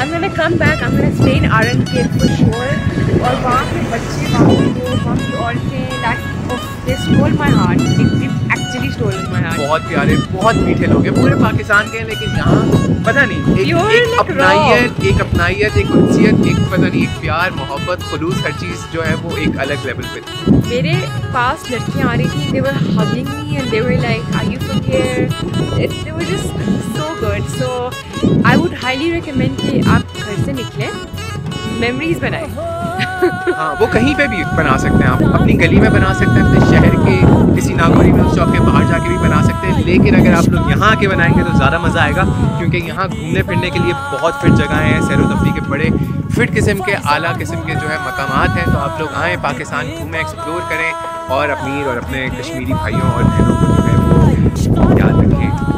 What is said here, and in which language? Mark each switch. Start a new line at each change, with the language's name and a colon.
English: I'm gonna come back, I'm gonna stay in Arang Kel for sure.
Hindi: और वहाँ के बच्चे, वहाँ की औरतें,
English: they stole my heart. They actually stole my heart.
Hindi: बहुत प्यारे, बहुत मीठे लोग हैं, पूरे पाकिस्तान के हैं, लेकिन यहाँ पता नहीं एक अपनाइयत, एक खुशियत, एक पता नहीं एक प्यार, मोहब्बत, खलूस, हर चीज़ जो है वो एक अलग लेवल पे थी. मेरे पास लड़कियाँ आ रही थी,
English: they were hugging me and they were like, are you from here? They were just so good. So I would highly recommend
Hindi: कि आप घर से निकलें, memories बनाएं. हाँ, वो कहीं पे भी बना सकते हैं, आप अपनी गली में बना सकते हैं, अपने शहर के किसी नागौरी में उस चौक के बाहर जाके भी बना सकते हैं. लेकिन अगर आप लोग यहाँ के बनाएंगे तो ज़्यादा मज़ा आएगा, क्योंकि यहाँ घूमने फिरने के लिए बहुत फिट जगह हैं, सैर तफरी के बड़े फिट किस्म के, आला किस्म के जो है मकामात हैं. तो आप लोग आएँ पाकिस्तान, घूमें, एक्सप्लोर करें, और अपनी और अपने कश्मीरी भाइयों और बहनों को याद रखें.